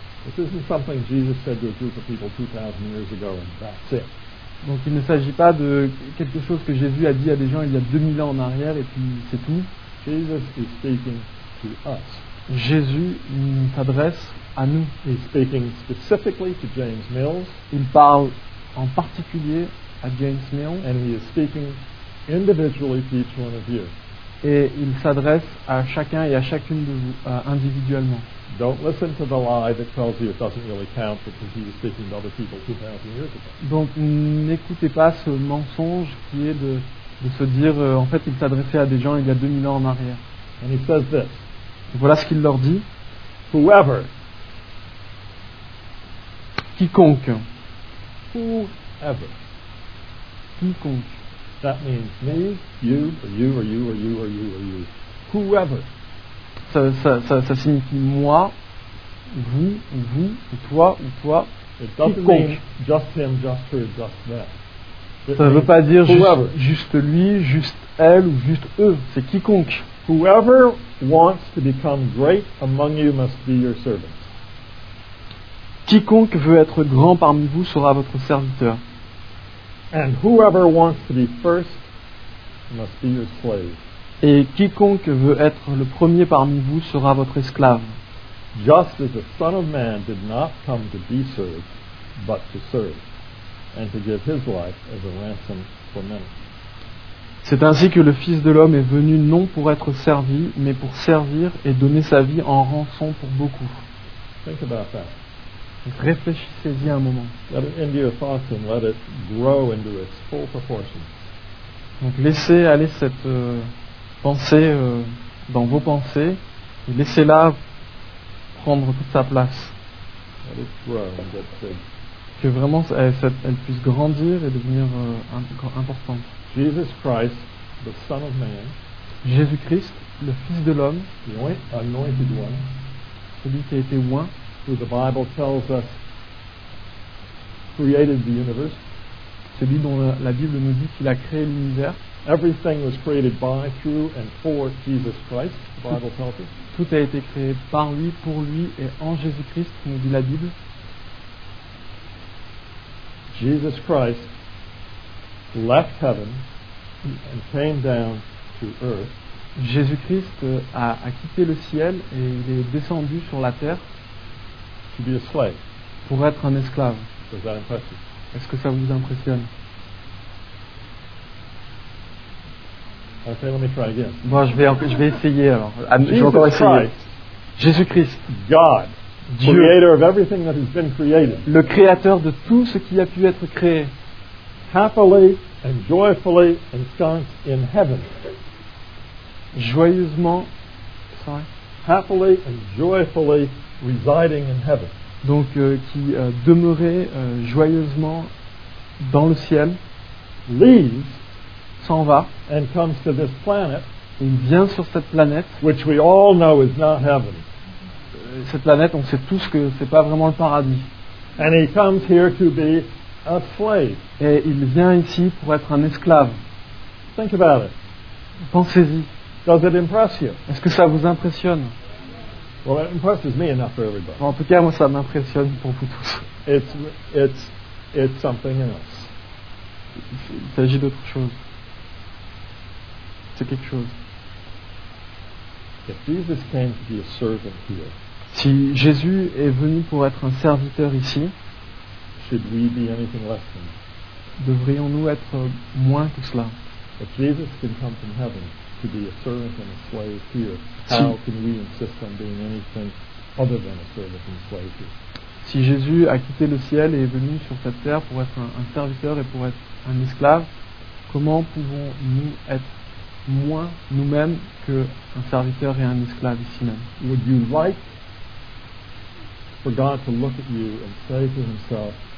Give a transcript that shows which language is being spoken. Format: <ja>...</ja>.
<en>This isn't something Jesus said to a group of people 2000 years ago and that's it.</en> <fr>Donc il ne s'agit pas de quelque chose que Jésus a dit à des gens il y a 2000 ans en arrière et puis c'est tout.</fr> <en>Jesus is speaking to us.</en> <fr>Jésus s'adresse à nous.</fr> <en>He's speaking specifically to James Mills.</en> <fr>Il parle en particulier à James Mills.</fr> <en>And he is speaking individually to each one of you.</en> <fr>Et il s'adresse à chacun et à chacune de vous individuellement.</fr> <en>Don't listen to the lie that tells you it doesn't really count because he was speaking to other people 2000 years ago.</en> <fr>Donc n'écoutez pas ce mensonge qui est de de se dire en fait il s'adressait à des gens il y a 2000 ans en arrière.</fr> <en>And he says this.</en> <fr>Voilà ce qu'il leur dit.</fr> <en>Whoever,</en> <fr>quiconque,</fr> <en>whoever,</en> <fr>quiconque,</fr> <en>that means me, you, or you, or you, or you, or you, or you, whoever,</en> <fr>ça signifie moi, vous, ou toi,</fr> <en>it doesn't</en> <fr>quiconque.</fr> <en>Mean just him, just her, just that.</en> <fr>Ça ne veut pas dire juste lui, juste elle ou juste eux. C'est quiconque.</fr> <en>Whoever wants to become great among you must be your servant.</en> <fr>Quiconque veut être grand parmi vous sera votre serviteur.</fr> <en>And whoever wants to be first must be your slave.</en> <fr>Et quiconque veut être le premier parmi vous sera votre esclave.</fr> <en>Just as the Son of Man did not come to be served, but to serve. And to give his life as a ransom for many.</en> <fr>C'est ainsi que le Fils de l'homme est venu non pour être servi, mais pour servir et donner sa vie en rançon pour beaucoup.</fr> <en>Think about that.</en> <fr>Réfléchissez-y un moment.</fr> <en>Let it into your thoughts and let it grow into its full proportions.</en> <fr>Donc laissez aller cette pensée dans vos pensées et laissez-la prendre toute sa place.</fr> <en>Let it grow and get big.</en> <fr>Que vraiment elle puisse grandir et devenir importante.</fr> <en>Jesus Christ, the Son of Man,</en> <fr>Jésus Christ, le Fils de l'homme,</fr> <en>the anointed one,</en> <fr>celui qui a été oint,</fr> <en>who the Bible tells us created the universe,</en> <fr>celui dont la Bible nous dit qu'il a créé l'univers.</fr> <en>Everything was created by, through, and for Jesus Christ. The Bible tells us.</en> <fr>Tout a été créé par lui, pour lui et en Jésus Christ, nous dit la Bible.</fr> <en>Jesus Christ left heaven and came down to earth.</en> <fr>Jésus-Christ a quitté le ciel et il est descendu sur la terre</fr> <en>to be a slave.</en> <fr>Pour être un esclave.</fr> <en>Does that impress you?</en> <fr>Est-ce que ça vous impressionne?</fr> <en>Okay, let me try again.</en> <fr>Bon, je vais essayer alors. Je vais encore essayer.</fr> <en>Christ,</en> <fr>Jésus-Christ,</fr> <en>God.</en> <fr>Dieu,</fr> <en>creator of everything that has been created,</en> <fr>le créateur de tout ce qui a pu être créé,</fr> <en>happily and joyfully ensconced in heaven,</en> <fr>joyeusement,</fr> <en>sorry, happily and joyfully residing in heaven,</en> <fr>donc qui demeurait joyeusement dans le ciel,</fr> <en>leaves,</en> <fr>s'en va,</fr> <en>and comes to this planet,</en> <fr>il vient sur cette planète,</fr> <en>which we all know is not heaven.</en> <fr>Cette planète, on sait tous que c'est pas vraiment le paradis.</fr> <en>And he comes here to be a slave.</en> <fr>Et il vient ici pour être un esclave.</fr> <en>Think about it.</en> <fr>Pensez-y.</fr> <en>Does it impress you?</en> <fr>Est-ce que ça vous impressionne?</fr> <en>Well, it impresses me enough for everybody.</en> <fr>En tout cas, moi, ça m'impressionne pour vous tous.</fr> <en>It's something else.</en> <fr>Il s'agit d'autre chose. C'est quelque chose.</fr> <en>If Jesus came to be a servant here,</en> <fr>si Jésus est venu pour être un serviteur ici,</fr> <en>should we be anything less than that?</en> <fr>Devrions-nous être moins que cela?</fr> <en>If Jesus can come from heaven to be a servant and a slave here, how can we insist on being anything other than a servant and a slave here?</en> <fr>Si Jésus a quitté le ciel et est venu sur cette terre pour être un serviteur et pour être un esclave, comment pouvons-nous être moins nous-mêmes qu'un serviteur et un esclave ici même?</fr> <en>Would you like for God to look at you and say to himself,</en>